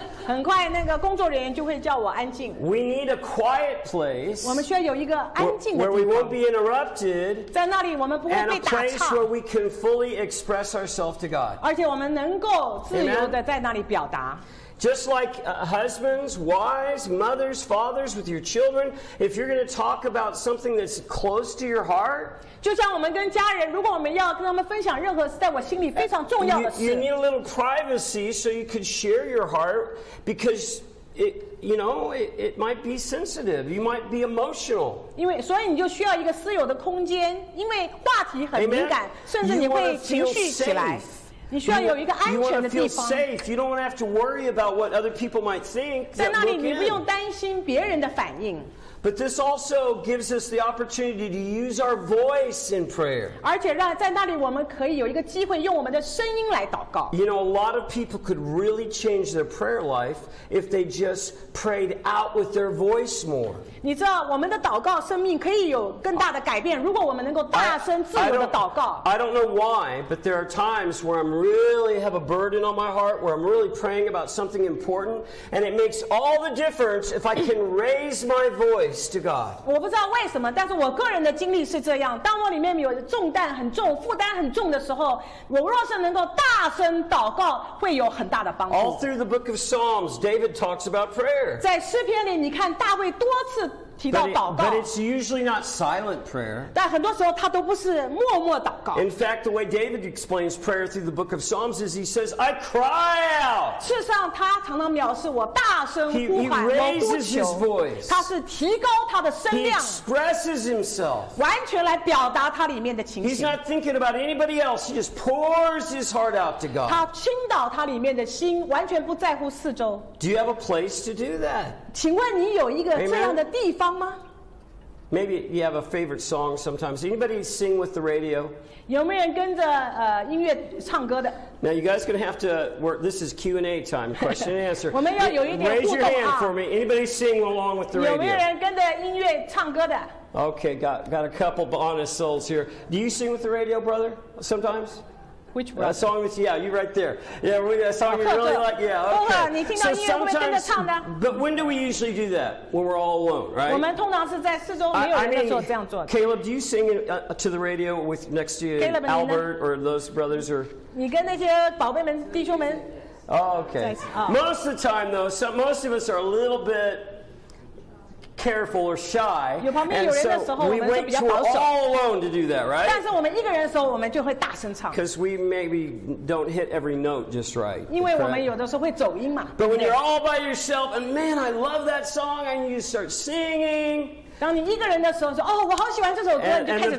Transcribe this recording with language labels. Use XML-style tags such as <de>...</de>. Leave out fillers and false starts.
<zh>很快那个工作人员就会叫我安静。</zh> <en>We need a quiet place.</en> <zh>我们需要有一个安静的地方。</zh> <en>Where we won't be interrupted.</en> <zh>在那里我们不会被打岔。</zh> <en>And a place where we can fully express ourselves to God.</en> <zh>而且我们能够自由的在那里表达。</zh> <en>Just like husbands, wives, mothers, fathers with your children, if you're going to talk about something that's close to your heart,</en> <zh>就像我们跟家人，如果我们要跟他们分享任何在我心里非常重要的事，</zh> <en>you need a little privacy so you could share your heart because it, you know, it might be sensitive. You might be emotional.</en> <zh>因为所以你就需要一个私有的空间，因为话题很敏感，甚至你会情绪起来。你需要有一个安全的地方。</zh> <en>You want to feel safe. You don't want to have to worry about what other people might think.</en> <zh>在那里你不用担心别人的反应。</zh> <en>But this also gives us the opportunity to use our voice in prayer.</en> <zh>而且让在那里我们可以有一个机会用我们的声音来祷告。</zh> <en>You know, a lot of people could really change their prayer life if they just prayed out with their voice more.</en> <zh>你知道我们的祷告生命可以有更大的改变，如果我们能够大声自由的祷告。</zh> <en>I don't know why, but there are times where I'm really have a burden on my heart, where I'm really praying about something important, and it makes all the difference if I can raise my voice. To God.</en> <zh>我不知道为什么，但是我个人的经历是这样。当我里面有重担很重、负担很重的时候，我若是能够大声祷告，会有很大的帮助。</zh> <en>All through the book of Psalms, David talks about prayer.</en> <zh>在诗篇里，你看大卫多次提到祷告。</zh> <en>But it's usually not silent prayer.</en> <zh>但很多时候他都不是默默祷告。</zh> <en>In fact, the way David explains prayer through the book of Psalms is he says, "I cry out."</en> <zh>事实上，他常常描述我大声呼喊、</zh> <en>He raises his voice.</en> <zh>他是提高他的声量。</zh> <en>He expresses himself.</en> <zh>完全来表达他里面的情形。</zh> <en>He's not thinking about anybody else. He just pours his heart out to God.</en> <zh>他倾倒他里面的心，完全不在乎四周。</zh> <en>Do you have a place to do that?</en> <zh>请问你有一个这样的地方吗？</zh> <en>Maybe you have a favorite song sometimes. Anybody sing with the radio?</en> <zh>有没有人跟着音乐唱歌的？</zh> <en>Now you guys are going to have to work. This is Q&A time, question and answer.</en> <zh>我们要有一点互动啊。</zh> <en>Raise your hand for me. Anybody sing along with the radio?</en> <zh>有没有人跟着音乐唱歌的？</zh> <en>Okay, got a couple honest souls here. Do you sing with the radio, brother, sometimes? Which one? A song with, yeah, you right there. Yeah, we, a song you really like, yeah, okay. Oh, so sometimes, but when do we usually do that? When we're all alone, right? 我们通常是在四周没有人的时候这样做的。 Caleb, do you sing to the radio with next to you, Caleb, Albert, or those brothers? Or?</en> <zh>你跟那些宝贝们、弟兄们。</zh> <en>Oh, okay. Most of the time, though, so most of us are a little bit... careful or shy, and so we wait till we're all alone to do that, right?</en> <zh>但是我们一个人的时候，我们就会大声唱。</zh> <en>Because we maybe don't hit every note just right.</en> <zh>因为我们有的时候会走音嘛。</zh> <en>But when you're all by yourself, and man, I love that song, and you start singing.</en> <zh>当你一个人的时候说，哦，我好喜欢这首歌，你就开始唱。</zh>